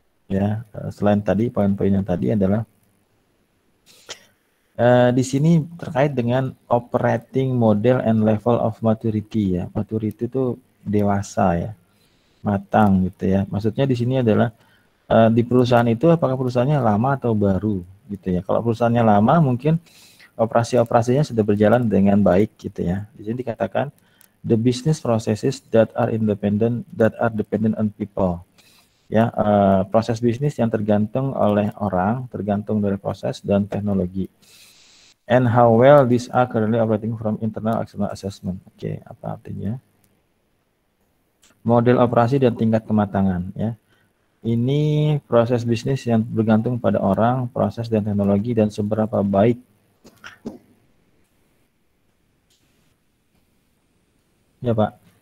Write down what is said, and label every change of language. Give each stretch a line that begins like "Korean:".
Indonesian: Ya, selain tadi poin-poin yang tadi adalah di sini terkait dengan
English: operating model and level of maturity
Indonesian: ya. Maturity itu dewasa ya. Matang gitu ya. Maksudnya di sini adalah di perusahaan itu apakah perusahaannya lama atau baru gitu ya. Kalau perusahaannya lama mungkin operasi-operasinya sudah berjalan dengan baik gitu ya. Di sini dikatakan
English: the business processes that are independent, that are dependent on people.
Indonesian: Ya, proses bisnis yang tergantung oleh orang, tergantung dari proses dan teknologi.
English: And how well these are currently operating from internal external assessment.
Indonesian: Oke, okay, apa artinya? Model operasi dan tingkat kematangan. Ya, ini proses bisnis yang bergantung pada orang, proses dan teknologi, dan seberapa baik. Ya, Pak.